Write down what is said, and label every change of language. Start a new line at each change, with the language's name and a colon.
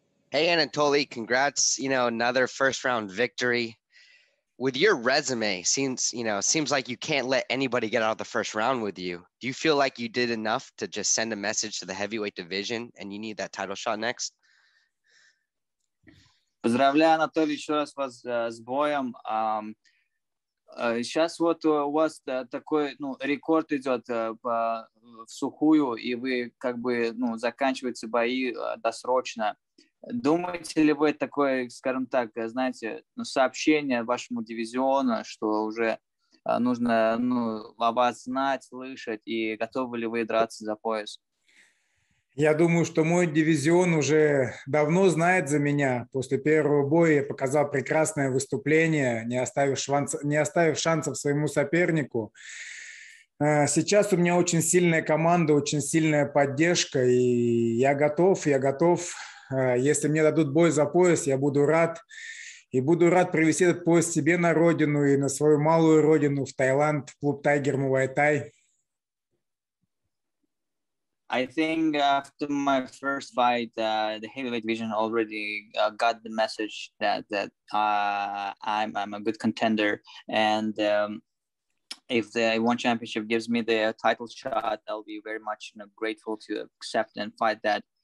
English: Hey, Anatoliy, congrats. You know, another first round victory. With your resume, seems like you can't let anybody get out of the first round with you. Do you feel like you did enough to just send a message to the heavyweight division and you need that title shot next?
Russian: Поздравляю, Анатолий, еще раз вас с боем. Сейчас вот у вас такой, ну, рекорд идет в сухую, и вы как бы, ну, заканчиваете бои досрочно. Думаете ли вы такое, скажем так, знаете, ну, сообщение вашему дивизиону, что уже нужно, ну, о вас знать, слышать, и готовы ли вы драться за пояс? Я думаю, что мой дивизион уже давно знает за меня. После первого боя я показал прекрасное выступление, не оставив шансов своему сопернику. Сейчас у меня очень сильная команда, очень сильная поддержка, и я готов. Если мне дадут бой за пояс, я буду рад. И буду рад привезти этот пояс себе на родину и на свою малую родину, в Таиланд, в клуб Тайгер Муай Тай.
English: I think after my first fight, the heavyweight division already got the message that I'm a good contender. And if the ONE Championship gives me the title shot, I'll be very much, you know, grateful to accept and fight that.